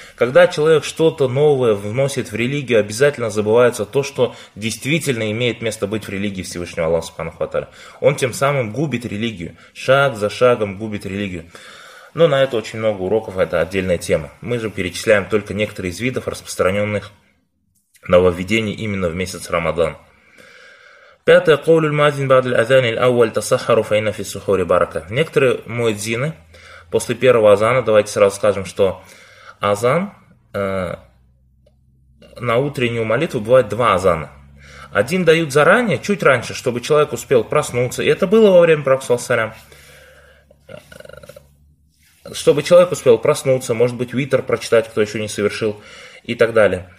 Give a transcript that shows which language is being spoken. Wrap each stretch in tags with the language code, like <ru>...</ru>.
<ru>Когда человек что-то новое вносит в религию, обязательно забывается то, что действительно имеет место быть в религии Всевышнего Аллаха, субханаху ва тааля. Он тем самым губит религию. Шаг за шагом губит религию. Но на это очень много уроков, это отдельная тема. Мы же перечисляем только некоторые из видов распространенных нововведений именно в месяц Рамадан. Пятое.</ru> <ar>قول المؤذن بعد الأذان الأول تسحر فإن في السحور بركة.</ar> <ru>Некоторые муэдзины после первого азана, давайте сразу скажем, что азан, на утреннюю молитву бывает два азана. Один дают заранее, чуть раньше, чтобы человек успел проснуться, и это было во время пророка, саллаллаху алейхи, чтобы человек успел проснуться, может быть, витр прочитать, кто еще не совершил, и так далее.</ru>